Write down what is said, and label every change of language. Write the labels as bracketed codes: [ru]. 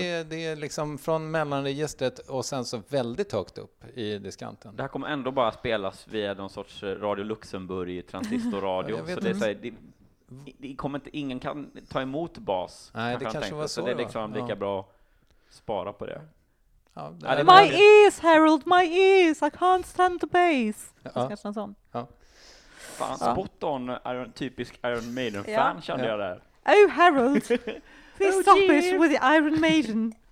[sv] Ja, det är liksom från mellanregistret och sen så väldigt högt upp i diskanten. Det här kommer ändå bara spelas via någon sorts Radio Luxemburg transistorradio. Ja, så det, det kommer inte, ingen kan ta emot bas. Nej, det kanske var så. Så det är liksom lika bra att spara på det. Ja, det [en] my ears, Harold, my ears! I can't stand the bass! [sv] Ja. Sån. Ja. Fan, [en] spot on [sv] är en typisk Iron Maiden-fan, kände jag där. [en] Oh, Harold! Please stop it with the Iron Maiden.